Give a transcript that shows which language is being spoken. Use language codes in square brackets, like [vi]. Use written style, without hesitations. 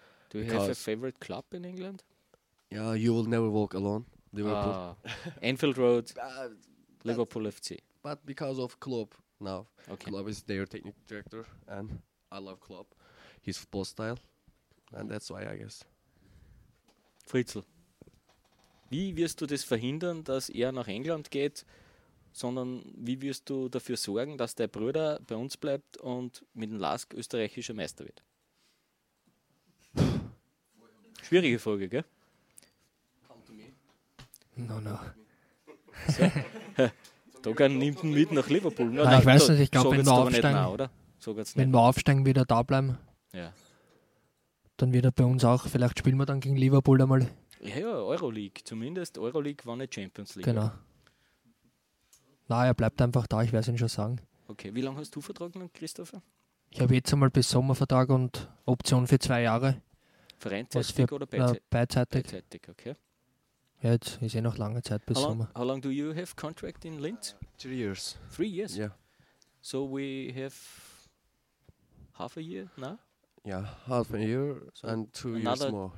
[en] Do you have a favorite club in England? Yeah, you will never walk alone. Liverpool. Anfield Road, Liverpool FC. But because of Klopp now. Okay. Klopp is their technical director, and I love Klopp. His football style, and that's why, I guess. [de] Fritzl, wie wirst du das verhindern, dass er nach England geht, sondern wie wirst du dafür sorgen, dass dein Bruder bei uns bleibt und mit dem LASK österreichischer Meister wird? Schwierige Frage, gell? [en] No. [de] Dogan nimmt ihn mit nach Liverpool. Nein, ich weiß nicht, ich glaube, wenn wir aufsteigen, wird er da bleiben. Ja. Dann wird er bei uns auch, vielleicht spielen wir dann gegen Liverpool einmal. Ja, Euroleague, zumindest Euroleague war nicht Champions League. Genau. Nein, er bleibt einfach da, ich werde es ihm schon sagen. Okay, wie lange hast du Vertrag mit Christopher? Ich habe jetzt einmal bis Sommer Vertrag und Option für 2 Jahre. Vereinzeitig oder beidseitig? Beidseitig, okay. Ja, jetzt ist eh noch lange Zeit bis Sommer. [en] How long do you have contract in Linz? 3 years. 3 years? Yeah. So we have half a year now? Yeah, half a year so and 2 years more.